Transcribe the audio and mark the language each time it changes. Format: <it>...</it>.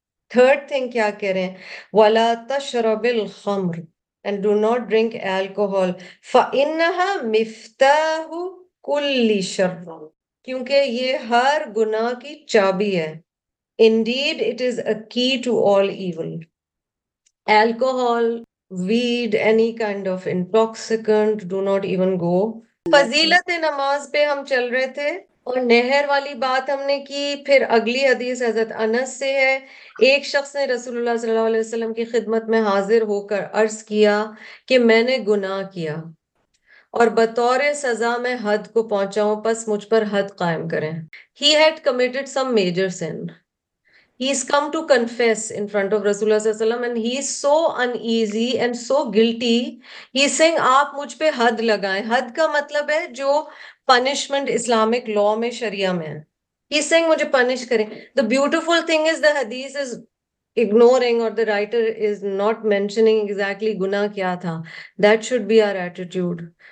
<ur>Third thing کیا کہہ رہے ہیں،</ur> <ar>ولا تشرب الخمر</ar> <en>and do not drink alcohol,</en> <ar>فانھا مفتاح کل شر،</ar> <ur>کیونکہ یہ ہر گناہ کی چابی ہے.</ur> <en>Indeed, it is a key to all evil. Alcohol, weed, any kind of intoxicant, do not even go.</en> <ur>فضیلت نماز پہ ہم چل رہے تھے اور نہر والی بات ہم نے کی. پھر اگلی حدیث حضرت انس سے ہے، ایک شخص نے رسول اللہ صلی اللہ علیہ وسلم کی خدمت میں حاضر ہو کر عرض کیا کہ میں نے گناہ کیا اور بطور سزا میں حد کو پہنچاؤں، پس مجھ پر حد قائم کریں.</ur> <en>He had committed some major sin. He's come to confess in front of Rasulullah sallallahu alaihi wasallam and he's so uneasy and so guilty. He's saying,</en> <ur>آپ مجھ پہ حد لگائیں. حد کا مطلب ہے جو پنشمنٹ اسلامک لا میں، شریعہ میں.</ur> <en>He's saying,</en> <ur>مجھے پنش کریں.</ur> <en>The beautiful thing is the حدیث is ignoring or the writer is not mentioning exactly</en> <ur>گناہ کیا تھا.</ur> <en>That should be our attitude.</en>